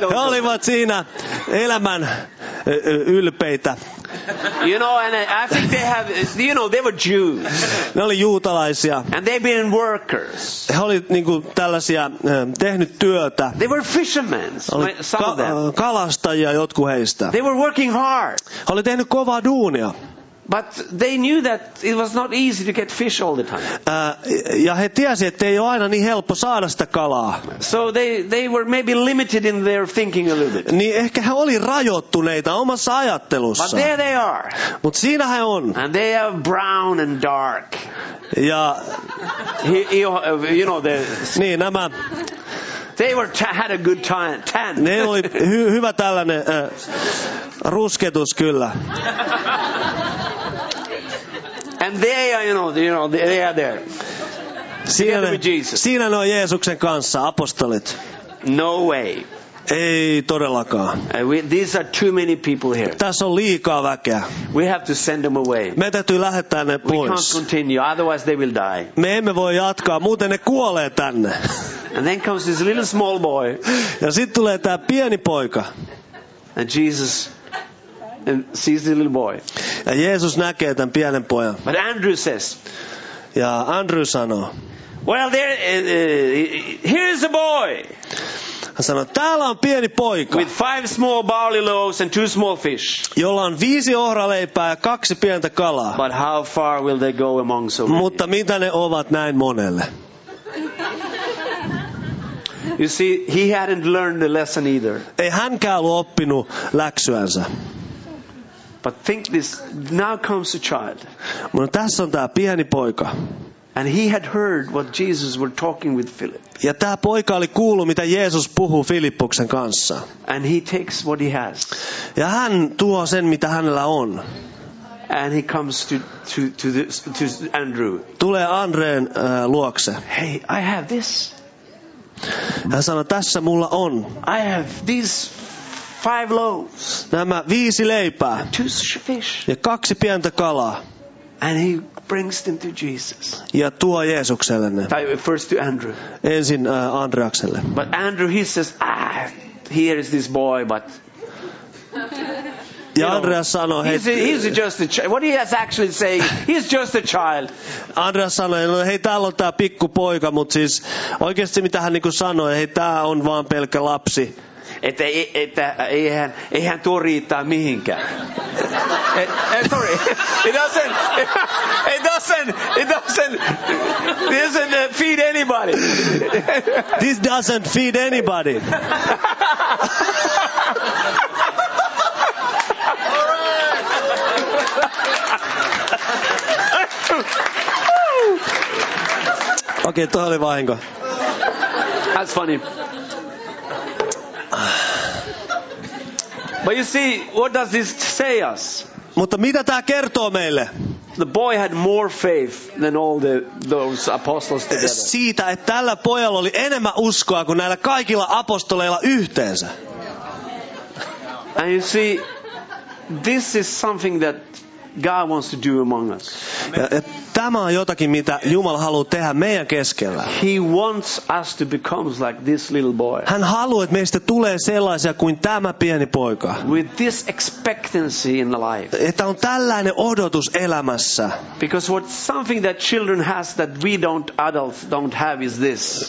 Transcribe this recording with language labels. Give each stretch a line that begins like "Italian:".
Finnish: He olivat siinä elämän ylpeitä.
English: You know, and I think they have, you know, they were Jews.
Finnish: Ne oli juutalaisia.
English: And they've been workers.
Finnish: He oli niinku tällaisia tehnyt työtä.
English: They were fishermen. Some of them.
Finnish: Kalastajia jotkut heistä.
English: They were working hard.
Finnish: He oli tehnyt kovaa duunia.
English: But they knew that it was not easy to get fish all the time.
Finnish: Ja he tiesi, että ei ole aina niin helppo saada sitä kalaa.
English: So they were maybe limited in their thinking a little bit.
Finnish: Niin ehkä he oli rajoittuneita omassa ajattelussa.
English: But there they are.
Finnish: Mut siinä he on.
English: And they are brown and dark.
Finnish: Ja
English: you know the
Finnish: niin nämä.
English: They were had a good time. Tan.
Finnish: Ne oli hyvä tällainen rusketus kyllä.
English: And they are, you know, they are there.
Finnish: Siinä
English: with Jesus.
Finnish: Siinä on Jeesuksen kanssa apostolit.
English: No way.
Finnish: Ei todellakaan.
English: These are too many people here.
Finnish: Tässä on liikaa väkeä.
English: We have to send them away.
Finnish: Me täytyy lähettää ne pois.
English: We can't continue, otherwise they will die.
Finnish: Me emme voi jatkaa, muuten ne kuolee tänne.
English: And then comes this little small boy.
Finnish: Ja sitten tulee tämä pieni poika.
English: And Jesus sees the little boy.
Finnish: Ja Jeesus näkee tämän pienen pojan.
English: But Andrew says.
Finnish: Ja Andrew sanoo.
English: Well, there, here is a boy.
Finnish: Hän sanoo, täällä on pieni poika.
English: With five small barley loaves and two small fish.
Finnish: Jolla on viisi ohraleipää ja kaksi pientä kalaa.
English: But how far will they go among so many?
Finnish: Mutta mitä ne ovat näin monelle?
English: You see, he hadn't learned the lesson either.
Finnish: Ei hänkään ollut oppinut läksyänsä.
English: But think this, now comes a child.
Finnish: Mutta tässä on tämä pieni poika.
English: And he had heard what Jesus were talking with Philip.
Finnish: Ja tämä poika oli kuullut, mitä Jeesus puhuu Filippuksen kanssa.
English: And he takes what he has.
Finnish: Ja hän tuo sen, mitä hänellä on.
English: And he comes to Andrew.
Finnish: Tulee Andreen luokse.
English: Hey, I have this.
Finnish: Hän sanoi, tässä mulla on.
English: I have these five loaves.
Finnish: Nämä viisi leipää.
English: And two fish.
Finnish: Ja kaksi pientä kalaa.
English: And he brings them to Jesus.
Finnish: Ja tuo Jeesukselle ne.
English: First to Andrew.
Finnish: Ensin Andreakselle.
English: But Andrew, he says, here is this boy, but.
Finnish: Ja Andreas sanoi,
English: he's just a child. What he has actually saying, he's just a child.
Finnish: Andreas sanoi, no hei, täällä on tää pikku poika, mut siis oikeesti mitä hän niinku sanoi, hei, tää on vaan pelkkä lapsi. Että eihän tuo riittää mihinkään.
English: Sorry, it doesn't feed anybody. This doesn't feed anybody.
Finnish: Okei, toi oli vahinko.
English: That's funny. But you see, what does this say us?
Finnish: Mutta mitä tämä kertoo meille?
English: The boy had more faith than all the those apostles together.
Finnish: Siitä, että tällä pojalla oli enemmän uskoa kuin näillä kaikilla apostoleilla yhteensä.
English: And you see, this is something that God wants to do among us.
Finnish: Tämä on jotakin, mitä Jumala haluaa tehdä meidän keskellä.
English: He wants us to become like this little boy.
Finnish: Hän haluaa, että meistä tulee sellaisia kuin tämä pieni poika.
English: With this expectancy in life.
Finnish: Että on tällainen odotus elämässä.
English: Because what something that children has that we don't adults don't have is this.